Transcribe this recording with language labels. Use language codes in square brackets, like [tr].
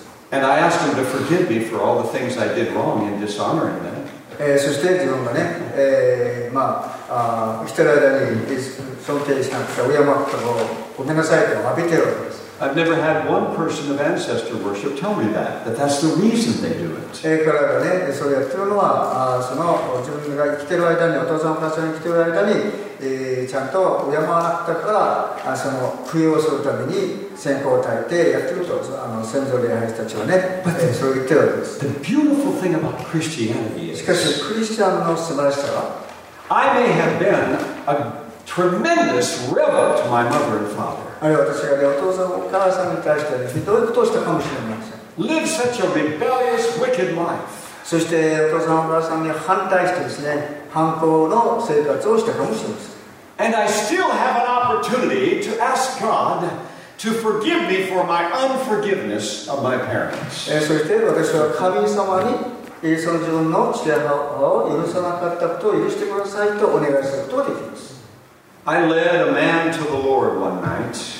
[en] And I asked him to forgive me for all the things I did wrong in dishonoring them. [ja] そして自分がね、まあ、人らに尊敬しなくて、敬ったのをごめんなさいと詫びてるわけです。 [en] I've never had one person of ancestor worship tell me that, that that's the reason they do it. [ja] からがね、それやってるのは、その自分が生きてる間に、お父さんお母さんが生きてる間に、ちゃんと敬わなかったから、その供養するために線香を焚いてやってると、先祖礼拝人たちはね、そう言ってるわけです。 [en] The beautiful thing about Christianity is, [ja] しかし、クリスチャンの素晴らしさは、 [en] I may have been a tremendous rebel to my mother and father. [ja] あれ私が、ね、お父さんお母さんに対して、ね、ひどいことをしたかもしれません。 [en] Live such a rebellious, wicked life. [ja] そしてお父さんお母さんに反対してですね、反抗の生活をしたかもしれません。 [en] And I still have an opportunity to ask God to forgive me for my unforgiveness of my parents. [ja] そして私は神様にその自分の父親を許さなかったことを許してくださいとお願いすることができます。 [en] I led a man to the Lord one night.